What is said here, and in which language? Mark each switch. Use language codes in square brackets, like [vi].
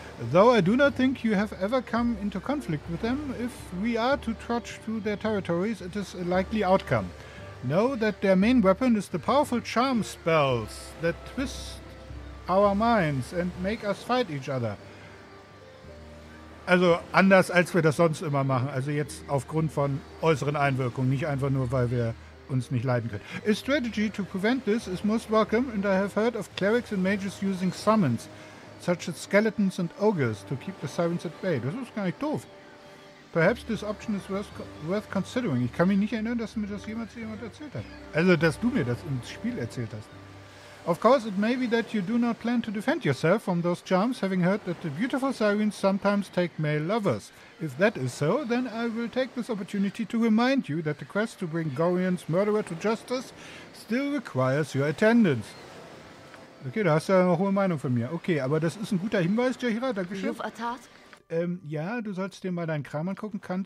[en] Though I do not think you have ever come into conflict with them, if we are to trudge through their territories, it is a likely outcome. Know that their main weapon is the powerful charm spells that twist our minds and make us fight each other. [de] Also anders, als wir das sonst immer machen. Also jetzt aufgrund von äußeren Einwirkungen, nicht einfach nur, weil wir uns nicht leiden können. [en] A strategy to prevent this is most welcome, and I have heard of clerics and mages using summons. such as skeletons and ogres, to keep the sirens at bay. [de] Das ist gar nicht doof. [en] Perhaps this option is worth considering. [de] Ich kann mich nicht erinnern, dass mir das jemand erzählt hat. Also, dass du mir das im Spiel erzählt hast. [en] Of course, it may be that you do not plan to defend yourself from those charms, having heard that the beautiful sirens sometimes take male lovers. If that is so, then I will take this opportunity to remind you that the quest to bring Gorion's murderer to justice still requires your attendance. [de] Okay, da hast du ja eine hohe Meinung von mir. Okay, aber das ist ein guter Hinweis, Jahira, dankeschön. [en] You have a task? [de] Ja, du sollst dir mal deinen Kram angucken.